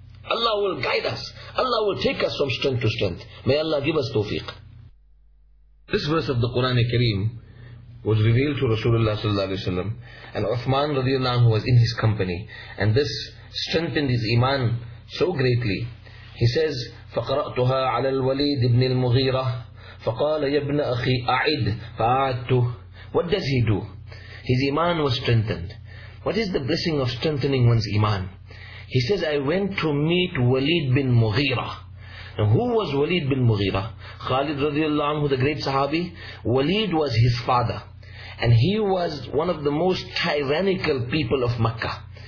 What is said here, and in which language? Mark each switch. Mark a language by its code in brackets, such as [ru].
[en] Allah will guide us. Allah will take us from strength to strength. May Allah give us tawfiq. This verse of the Quran Kareem was revealed to Rasulullah sallallahu alaihi wasallam, and Uthman radiallahu anhu was in his company, and this strengthened his iman so greatly. He says, [ar] فَقَرَأْتُهَا عَلَى الْوَلِيدِ بْنِ الْمُغِيرَةِ فَقَالَ يَبْنَ أَخِي أَعِدْ فَأَعَدْتُهُ. [en] What does he do? His iman was strengthened. What is the blessing of strengthening one's iman? He says, I went to meet Walid bin Mughira. Now who was Walid bin Mughira? Khalid radiallahu anhu, the great Sahabi. Walid was his father. And he was one of the most tyrannical people of Makkah.